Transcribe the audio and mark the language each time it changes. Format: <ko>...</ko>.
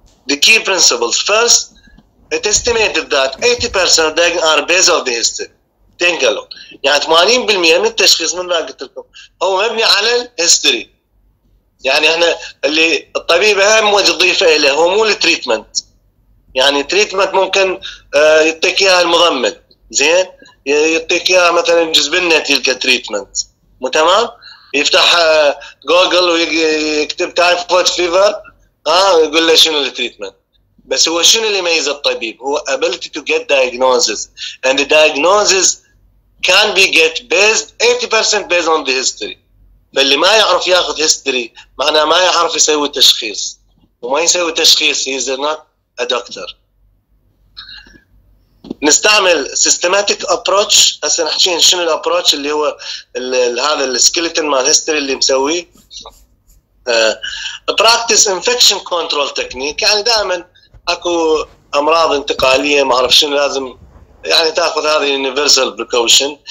<en>The key principles. First, it estimated that 80% of diagnosis are based on the history.</en> <ar>تنقلوا. يعني 80% من التشخيص من ما قلت لكم هو مبني على الهيستوري. يعني احنا اللي الطبيب اهم وظيفة له هو مو التريتمنت. يعني التريتمنت ممكن يعطيك اياها المضمن، زين يعطيك اياها مثلا يجذب لنا تلك التريتمنت، مو تمام؟ يفتح جوجل ويكتب تايفويد فيفر، يقول له شنو التريتمنت. بس هو شنو اللي يميز الطبيب؟ هو</ar> <en>ability to get diagnosis. And the diagnosis can be get based 80% based on the history.</en> <ar>فاللي ما يعرف ياخذ history معناه ما يعرف يسوي تشخيص. وما يسوي تشخيص</ar> <en>he is not a doctor.</en> <ar>نستعمل</ar> <en>systematic approach.</en> <ar>هسه نحكي شنو ال approach اللي هو هذا السكيلتون مال history اللي مسويه.</ar> <en>Practice infection control technique.</en> <ar>يعني دائما اكو امراض انتقاليه ما اعرف شنو لازم يعني تاخذ هذه</ar> <en>universal precaution.</en>